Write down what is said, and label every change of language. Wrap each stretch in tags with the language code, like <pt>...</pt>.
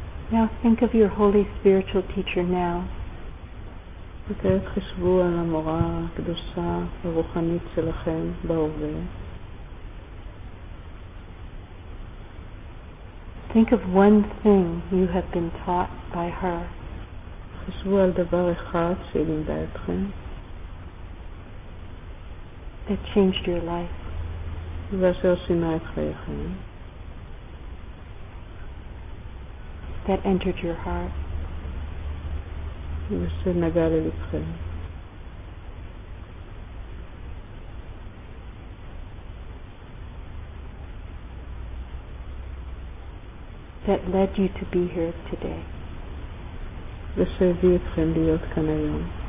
<en>Now think of your holy spiritual teacher now.</en> <he>וכעת חשבו על המורה הקדושה הרוחנית שלכם בהווה.</he> <en>Think of one thing you have been taught by her.</en> <he>חשבו על דבר אחד שהיא לימדה אתכם.</he> <en>That changed your life.</en> <he>ואשר שינה את חייכם.</he> <en>That entered your heart.</en> <he>ושנגע ללבכם.</he> <en>That led you to be here today.</en> <he>ושהביא אתכם להיות כאן היום.</he>